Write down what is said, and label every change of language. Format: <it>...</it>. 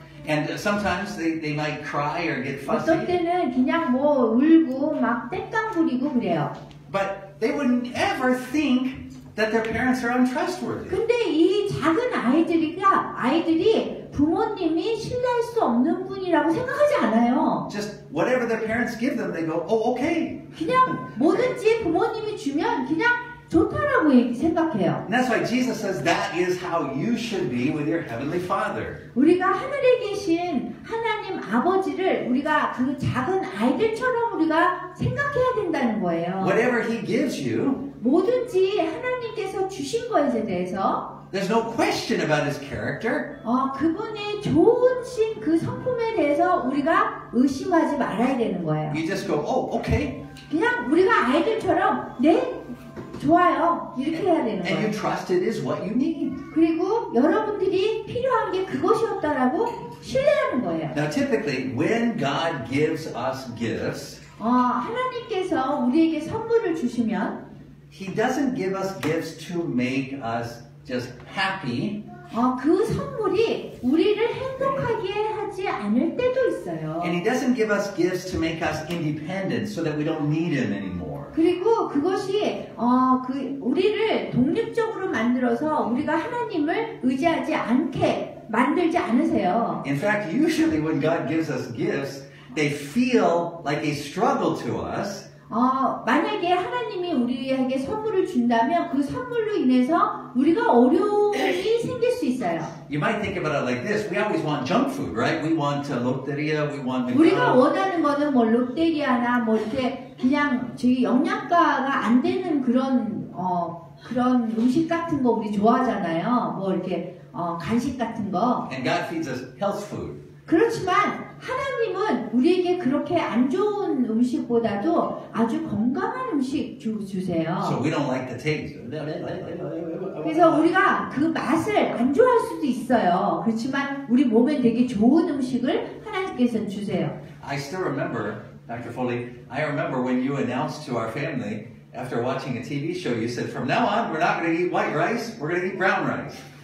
<en>And sometimes they might cry or get fussy.</en> <ko>어떤 때는 그냥 뭐 울고 막 땡깡 부리고 그래요.</ko> <en>But they would never think that their parents are untrustworthy.</en> <ko>근데 이 작은 아이들이 부모님이 신뢰할 수 없는 분이라고 생각하지 않아요.</ko> <en>Just whatever their parents give them, they go, okay.</en> <ko>그냥 뭐든지 부모님이 주면 그냥 좋다라고 생각해요.</ko> <en>And that's why Jesus says that is how you should be with your heavenly Father.</en> <ko>우리가 하늘에 계신 하나님 아버지를 우리가 그 작은 아이들처럼 우리가 생각해야 된다. 모른다는 거예요.</ko> <en>Whatever he gives you,</en> <ko>뭐든지 하나님께서 주신 것에 대해서</ko> <en>There's no question about his character.</en> <ko>그분의 좋으신 그 성품에 대해서 우리가 의심하지 말아야 되는 거예요.</ko> <en>You just go, oh, okay.</en> <ko>그냥 우리가 아이들처럼 네, 좋아요. 이렇게 해야 되는 거예요.</ko> <en>And you trust it is what you need.</en> <ko>그리고 여러분들이 필요한 게 그것이었다라고 신뢰하는 거예요.</ko> <en>Now typically, when God gives us gifts,</en> <ko>하나님께서 우리에게 선물을 주시면</ko> <en>He doesn't give us gifts to make us just happy.</en> <ko>그 선물이 우리를 행복하게 하지 않을 때도 있어요.</ko> <en>And he doesn't give us gifts to make us independent so that we don't need him anymore.</en> <ko>그리고 그것이 그 우리를 독립적으로 만들어서 우리가 하나님을 의지하지 않게 만들지 않으세요.</ko> <en>In fact, usually when God gives us gifts, they feel like a struggle to us.</en> <ko>만약에 하나님이 우리에게 선물을 준다면 그 선물로 인해서 우리가 어려움이 생길 수 있어요.</ko> <en>You might think about it like this. We always want junk food, right? We want lotteria, we want McDonald's.</en> <ko>우리가 원하는 거는 뭐 롯데리아나 뭐 이렇게 그냥 저희 영양가가 안 되는 그런 그런 음식 같은 거 우리 좋아하잖아요. 뭐 이렇게 간식 같은 거.</ko> <en>And God feeds us health food.</en> <ko>그렇지만 하나님은 우리에게 그렇게 안 좋은 음식보다도 아주 건강한 음식 주세요.</ko> <en>So we don't like the taste.</en> <ko>그래서 우리가 그 맛을 안 좋아할 수도 있어요. 그렇지만 우리 몸에 되게 좋은 음식을 하나님께서 주세요.</ko> <en>I still remember, Dr. Foley, I remember when you announced to our family after watching a TV show, you said, from now on, we're not going to eat white rice, we're going to eat brown rice.</en>